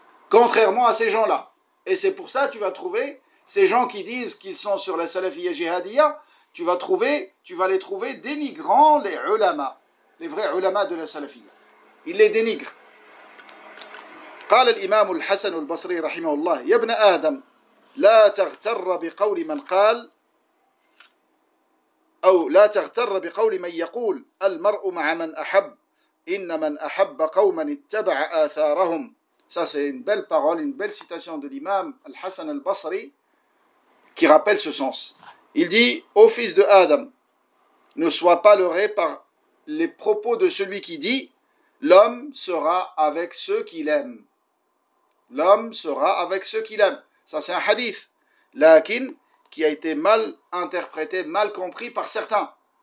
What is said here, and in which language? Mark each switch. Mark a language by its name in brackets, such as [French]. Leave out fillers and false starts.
[French] Contrairement à ces gens-là. Et c'est pour ça que tu vas trouver ces gens qui disent qu'ils sont sur la salafia jihadiya, tu vas les trouver dénigrant les ulama, les vrais ulama de la salafia. Ils les dénigrent. [Arabic] قال الإمام الحسن البصري رحمه الله يا ابن آدم لا تغتر بقول من قال أو لا تغتر بقول من يقول المرء مع من أحب إن من أحب قوما اتبع آثارهم. [French] Ça, c'est une belle parole, une belle citation de l'imam Al-Hassan Al-Basri, qui rappelle ce sens. Il dit, ô fils de Adam, ne sois pas leurré par les propos de celui qui dit, l'homme sera avec ceux qu'il aime. L'homme sera avec ceux qu'il aime. Ça, c'est un hadith. Lakin, qui a été mal interprété, mal compris par certains.